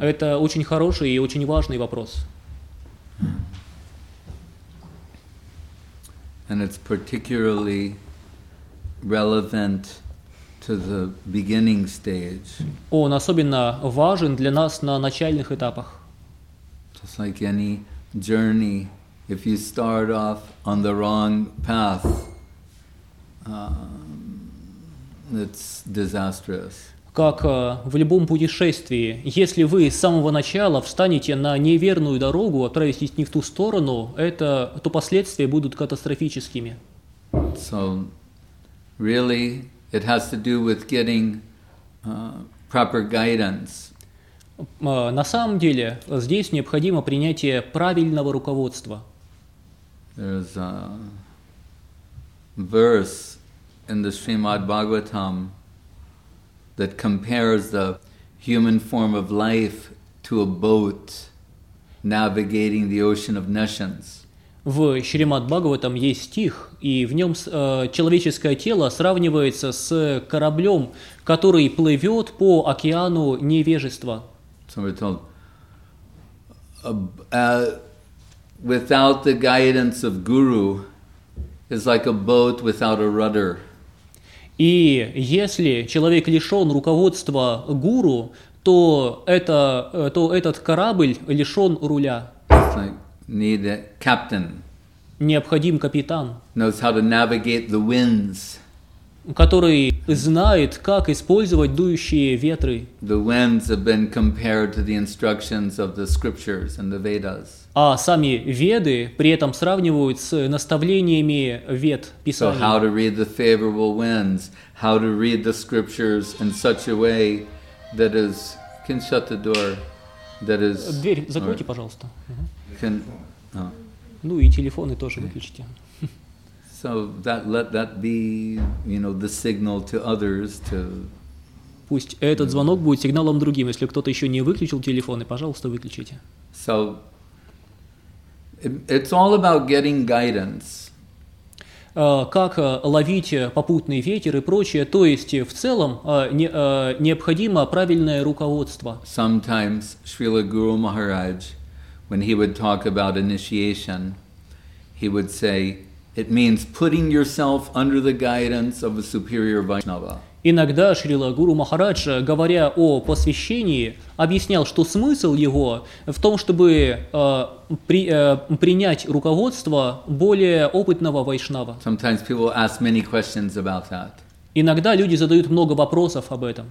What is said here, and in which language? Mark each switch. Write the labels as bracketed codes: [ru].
[ru] Это очень хороший и очень важный вопрос. [en] And it's particularly relevant to the beginning stage. [ru] Он особенно важен для нас на начальных этапах. [en] Just like any journey, if you start off on the wrong path, it's disastrous. [ru] Как в любом путешествии, если вы с самого начала встанете на неверную дорогу, отправитесь не в ту сторону, то последствия будут катастрофическими. [en] So, really, it has to do with getting proper guidance. [ru] На самом деле, здесь необходимо принятие правильного руководства. [en] There's a verse in the Srimad Bhagavatam that compares the human form of life to a boat navigating the ocean of nations. [ru] В Шримад Бхагаватам есть стих, и в нем человеческое тело сравнивается с кораблем, который плывет по океану невежества. [en] So we're told, without the guidance of Guru, it's like a boat without a rudder. [ru] И если человек лишен руководства гуру, то этот корабль лишен руля. [en] Need a captain. [ru] Необходим капитан. [en] Knows how to navigate the winds. [ru] Который знает, как использовать дующие ветры. [en] The winds have been compared to the instructions of the scriptures and the Vedas. [ru] А сами веды при этом сравнивают с наставлениями вед Писания. [en] So how to read the favorable winds, how to read the scriptures in such a way that is, can shut the door, that is. [ru] Дверь закройте, or, пожалуйста. [en] Can, [ru] ну и телефоны тоже выключите. [en] So that let that be, you know, the signal to others to. [ru] Пусть этот звонок будет сигналом другим. Если кто-то еще не выключил телефоны, пожалуйста, выключите. [en] So. It's all about getting guidance. [ru] Как ловить попутный ветер и прочее, то есть в целом необходимо правильное руководство. [en] Sometimes Srila Guru Maharaj, when he would talk about initiation, he would say, it means putting yourself under the guidance of a superior Vaishnava. [ru] Иногда Шрила Гуру Махарадж, говоря о посвящении, объяснял, что смысл его в том, чтобы принять руководство более опытного вайшнава. [en] Sometimes people ask many questions about that. [ru] Иногда люди задают много вопросов об этом.